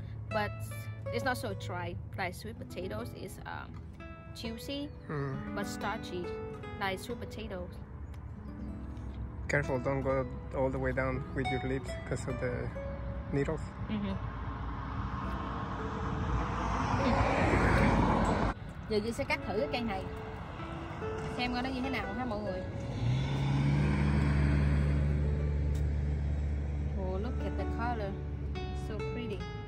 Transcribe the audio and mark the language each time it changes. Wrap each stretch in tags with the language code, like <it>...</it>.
<en>But it's not so dry like sweet potatoes. It's juicy, but starchy like sweet potatoes. Careful, don't go all the way down with your lips because of the needles.</en> <vi>Mm-hmm. Giờ chị sẽ cắt thử cái cây này xem coi nó như thế nào ha mọi người.</vi> <en>Oh, look at the color, so pretty.</en>